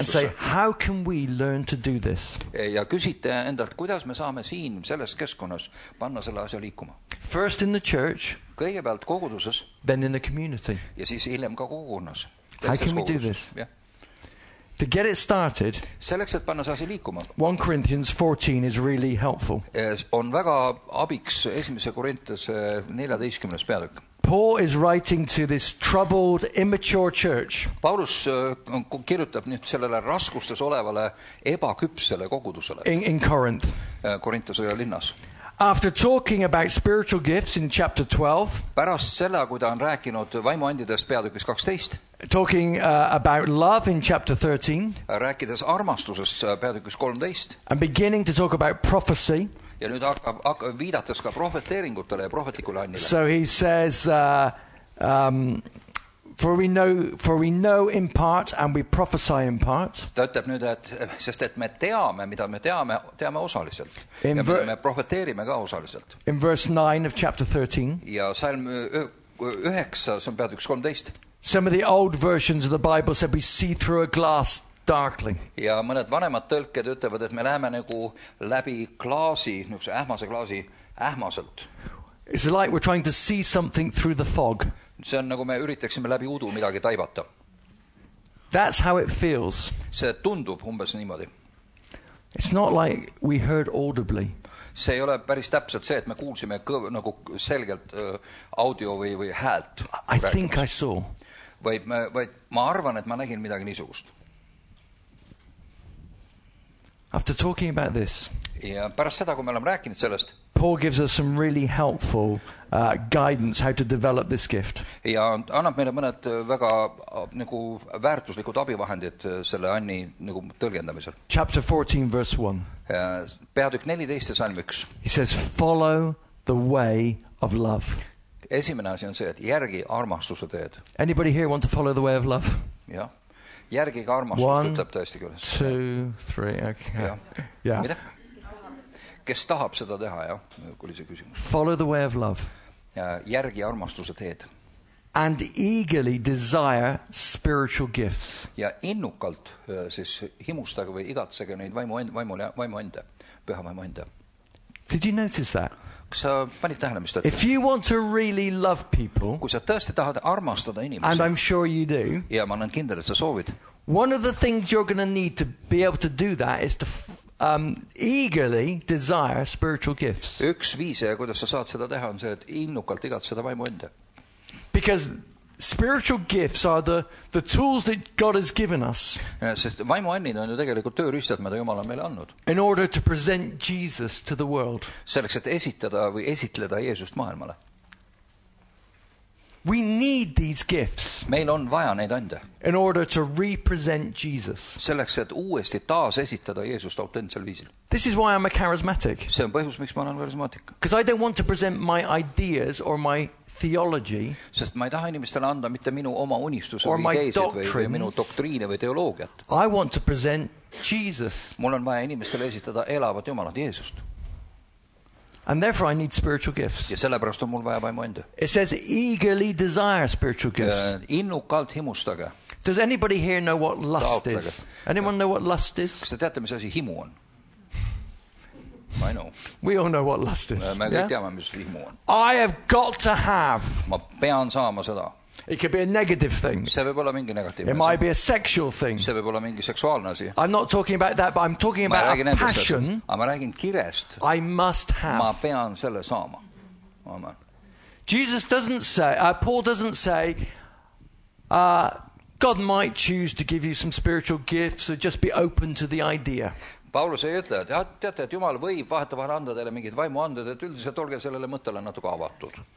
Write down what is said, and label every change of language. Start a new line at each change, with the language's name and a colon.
English: And say, how can we learn to do this?
Estonian: Ja küsite endalt, kuidas me saame siin selles keskkonnas panna selle asja liikuma.
English: First in the church.
Estonian: Kõigepealt koguduses.
English: Then in the community.
Estonian: Ja siis hiljem ka kogukonnas.
English: How can we do this? Yeah. To get it started,
Estonian: selleks, et panna saasi liikuma,
English: 1 Corinthians 14 is really helpful.
Estonian: On väga abiks esimese Korintuse 14. peatükk.
English: Paul is writing to this troubled, immature church.
Estonian: Paulus kirjutab nüüd sellele raskustes olevale ebaküpsele kogudusele.
English: In Corinth.
Estonian: Korintuse linnas.
English: After talking about spiritual gifts in chapter 12,
Estonian: pärast selle, kui ta on rääkinud vaimuandidest peatükis 12,
English: talking about love in chapter 13,
Estonian: rääkides armastusest peatükis 13,
English: and beginning to talk about prophecy,
Estonian: ja nüüd viidates ka profeteeringutele ja prohetlikule annile.
English: So he says, for we know in part and we prophesy in part.
Estonian: Ta ütleb nüüd, et sest et me teame, mida me teame, teame osaliselt. In ja me profeteerime ka osaliselt.
English: In verse 9 of chapter 13.
Estonian: Ja salm 9, see on peatükis 13.
English: Some of the old versions of the Bible said we see through a glass darkly.
Estonian: Ja mõned vanemad tõlked ütlevad, et me läheme nagu läbi klaasi, nüüd see ähmase klaasi, ähmaselt.
English: It's like we're trying to see something through the fog.
Estonian: See on nagu me üritaksime läbi udu midagi taibata.
English: That's how it feels.
Estonian: See tundub umbes niimoodi.
English: It's not like we heard audibly.
Estonian: See ei ole päris täpselt see, et me kuulsime nagu selgelt audio või häält.
English: I think I saw.
Estonian: Ma arvan, et ma nägin midagi niisugust.
English: After talking about this.
Estonian: Ja pärast seda, kui me oleme rääkinud sellest.
English: Paul gives us some really helpful guidance how to develop this gift.
Estonian: Ja annab meile mõned väga nagu väärtuslikud abivahendid selle anni nagu tõlgendamisel.
English: Chapter 14 verse 1.
Estonian: Peatükk 14 salm 1.
English: He says follow the way of love.
Estonian: Esimene asi on see, et järgi armastuse teed.
English: Anybody here want to follow the way of love?
Estonian: Ja. Järgi ka armastuse ütleb tõesti küll.
English: 2 3 okay.
Estonian: Ja. Mida? Kes tahab seda teha, ja, kui see küsimus.
English: Follow the way of love.
Estonian: Järgi armastuse teed.
English: And eagerly desire spiritual gifts.
Estonian: Ja innukalt siis himustage või igatsege neid vaimuande, püha vaimuande.
English: Did you notice that?
Estonian: Sa panid tähele, mis ta ütles.
English: If you want to really love people,
Estonian: kui sa tõesti tahad armastada inimesi,
English: and I'm sure you do,
Estonian: ja ma olen kindel, et sa soovid,
English: one of the things you're going to need to be able to do that is to eagerly desire spiritual gifts.
Estonian: Üks viise, kuidas sa saad seda teha, on see, et innukalt igat seda vaimu enda.
English: Because spiritual gifts are the tools that God has given us.
Estonian: Sest vaimu annid on ju tegelikult tööriistad, mida Jumal on meile annud.
English: In order to present Jesus to the world.
Estonian: Selleks, et esitada või esitleda Jeesust maailmale.
English: We need these gifts.
Estonian: Meil on vaja neid anda.
English: In order to represent Jesus.
Estonian: Selleks, et uuesti taas esitada Jeesust autentsel viisil.
English: This is why I'm a charismatic.
Estonian: See on põhjus, miks ma olen karismaatik.
English: Because I don't want to present my ideas or my theology.
Estonian: Sest ma ei taha inimestele anda mitte minu oma unistuse või ideesid või minu doktriine või teoloogiat.
English: I want to present Jesus.
Estonian: Mul on vaja inimestele esitada elavat Jumalat Jeesust.
English: And therefore I need spiritual gifts.
Estonian: Ja sellepärast on mul vaja vaimu enda.
English: It says eagerly desire spiritual gifts.
Estonian: Innukalt himustage.
English: Does anybody here know what lust is? Anyone know what lust is?
Estonian: Kas te teate, mis asi himu on?
English: I know. We all know what lust is.
Estonian: Me kõik teame, mis himu on.
English: I have got to have.
Estonian: Ma pean saama seda.
English: It could be a negative thing.
Estonian: See võib olla mingi negatiivne.
English: It might be a sexual thing.
Estonian: See võib olla mingi seksuaalne asi.
English: I'm not talking about that, but I'm talking about a passion.
Estonian: Ma räägin kirest.
English: I must have.
Estonian: Ma pean selle saama. Amen.
English: Jesus doesn't say, Paul doesn't say, God might choose to give you some spiritual gifts, so just be open to the idea.
Estonian: Paulus ei ütle, et Jumal võib vahetevahel anda teile mingid vaimuanded, et üldiselt olge sellele mõttele natuke avatud.